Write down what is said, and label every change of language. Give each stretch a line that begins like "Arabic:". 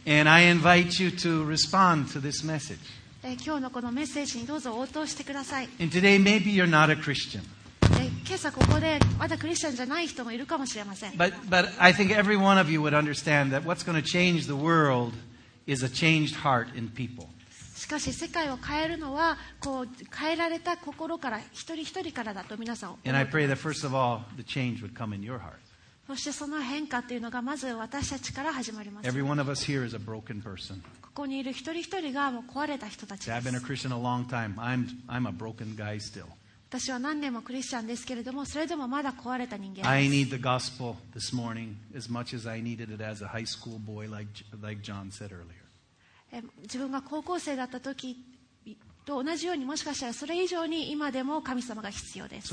English: And I invite you to respond to this message.
Japanese: 今日のこのメッセージにどうぞ応答してください。
English: And today maybe you're not a Christian.
Japanese: 今朝ここでまだクリスチャンじゃない人もいるかもしれません。
English: But I think every one of you would understand that what's going to change the world is a changed heart in people.
Japanese: しかし世界を変えるのはこう変えられた心から一人一人からだと皆さん
English: And I pray that first of all, the change would come in your heart.
Japanese: そしてその変化というのがまず私たちから始まります
English: Every one of us here is a broken person.
Japanese: ここにいる一人一人がもう壊れた人たちです
English: I've been a Christian a long time. I'm a broken guy still.
Japanese: 私は何年もクリスチャンですけれどもそれでもまだ壊れた人間です
English: I need the gospel this morning as much as I needed it as a high school boy like John said earlier.
Japanese: 自分が高校生だった時と同じようにもしかしたらそれ以上に今でも神様が必要です。